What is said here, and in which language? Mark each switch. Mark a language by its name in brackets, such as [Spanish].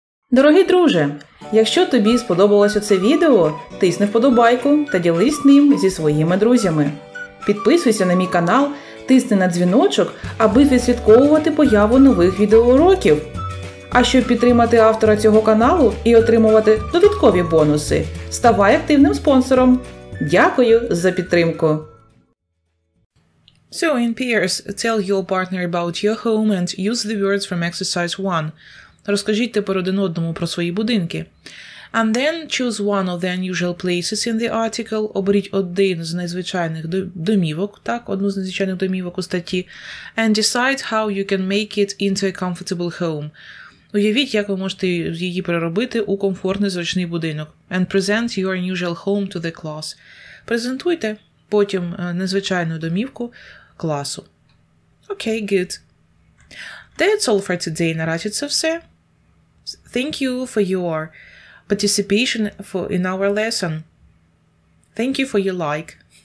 [Ukrainian] Дорогий друже, якщо тобі сподобалося це відео, тисни вподобайку та ділись ним зі своїми друзями. Підписуйся на мій канал тисни на дзвіночок, аби відслідковувати появу нових відеоуроків. А щоб підтримати автора цього каналу і отримувати додаткові бонуси, ставай активним спонсором. Дякую за підтримку. [English] So in pairs, tell your partner about your home and use the words from exercise 1. [Ukrainian] Розкажіть тепер один одному про свої будинки. [English] And then choose one of the unusual places in the article. [Ukrainian] Оберіть один з незвичайних домівок, так, одну з незвичайних домівок у статті. [English] And decide how you can make it into a comfortable home. [Ukrainian] Уявіть, як ви можете її переробити у комфортний зручний будинок. [English] And present your unusual home to the class. [Ukrainian] Презентуйте потім незвичайну домівку класу. [English] Okay, good. That's all for today. [Ukrainian] Наразі це все. [English] Thank you for your participation in our lesson. Thank you for your like.